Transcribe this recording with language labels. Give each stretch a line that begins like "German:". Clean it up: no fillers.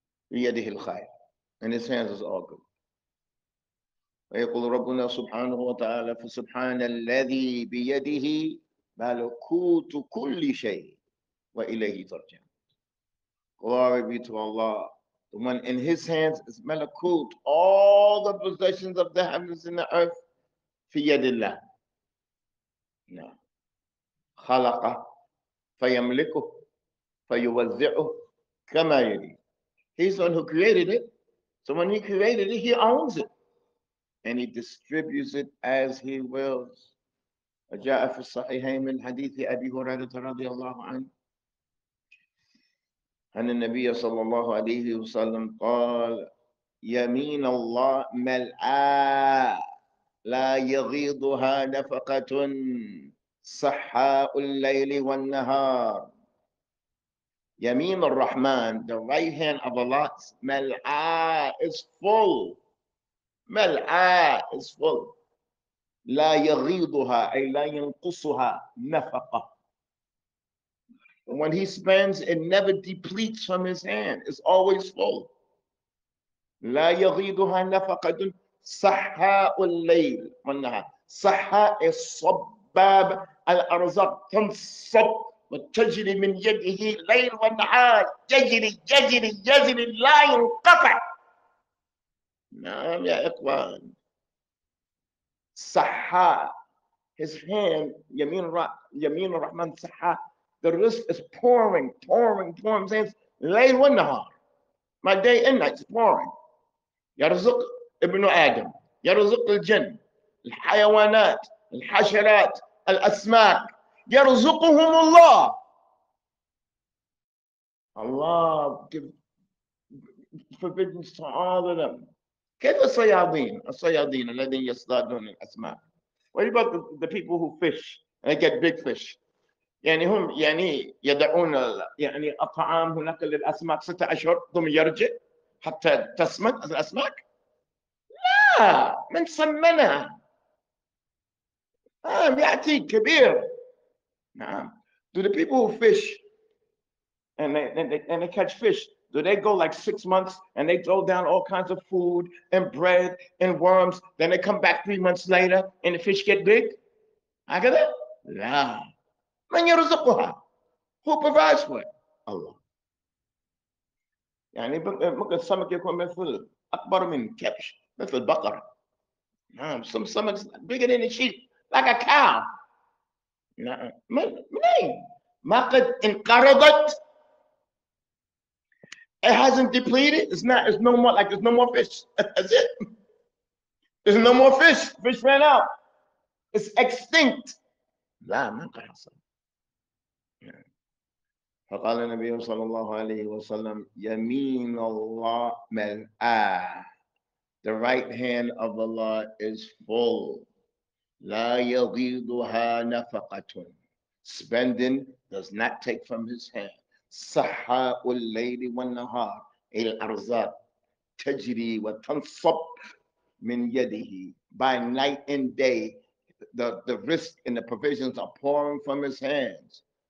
Arabic: بيده الخير
English: and his hands is all good
Arabic: ويقول ربنا سبحانه وتعالى فسبحان الذي بيده ملكوت كل شيء وإليه ترجعون
English: Glory be to Allah. The one in his hands is ملكوت all the possessions of the heavens and the earth
Arabic: في يد الله.
English: No.
Arabic: خلق فيملكه فيوزعه كما يريد.
English: He's the one who created it. So when he created it, he owns it. And he distributes it as he wills.
Arabic: جاء في الصحيحين من حديث أبي هريرة رضي الله عنه أن النبي صلى الله عليه وسلم قال يمين الله ملاء لا يغيضها نفقة صحاء الليل والنهار يمين الرحمن
English: the right hand of Allah
Arabic: ملاء
English: is full
Arabic: ملعاء
English: is full
Arabic: لا يغيضها أي لا ينقصها نفقة.
English: And when he spends, it never depletes from his hand. It's always full.
Arabic: لا يغيضها نفقة صحاء الليل. منها صحاء الصباب الأرزاق تنصب وتجري من يده ليل ونهار يجري يجري يجري لا ينقطع. نعم يا إخوان. صحاء
English: his hand
Arabic: يمين يمين الرحمن صحاء
English: the wrist is pouring pouring pouring says
Arabic: ليل ونهار
English: my day and night is pouring
Arabic: يرزق ابن آدم يرزق الجن الحيوانات الحشرات الأسماك يرزقهم الله الله
English: forbidden to all of them.
Arabic: كيف الصيادين؟ الصيادين الذين يصطادون الأسماك.
English: What about the people who fish? And they get big fish.
Arabic: يعني هم يعني يدعون يعني الطعام هناك للأسماك 6 أشهر ثم يرجع حتى تسمن الأسماك؟ لا، من سمنها؟ يأتي كبير. نعم.
English: Do the people who fish and they catch fish? Do they go like 6 months and they throw down all kinds of food and bread and worms? Then they come back 3 months later and the fish get big?
Arabic: هكذا؟ لا. من يرزقها؟
English: Who provides for it? Allah.
Arabic: يعني ممكن السمك يكون مثل أكبر من كبش مثل بقرة. نعم.
English: Some stomachs bigger than a sheep, like a cow.
Arabic: نعم. من أين؟ ما قد انقرضت؟
English: It hasn't depleted. It's not. It's no more. Like there's no more fish. That's it. There's no more fish. Fish ran out. It's extinct.
Arabic: لا ما حصل. فقال النبي صلى الله عليه وسلم يمين الله ملأ.
English: The right hand of Allah is full.
Arabic: لا يغيضها نفقة.
English: Spending does not take from his hand.
Arabic: صحاء الليل والنهار الأرزاق تجري وتنصب من يده
English: by night and day the risk and the provisions are pouring from his hands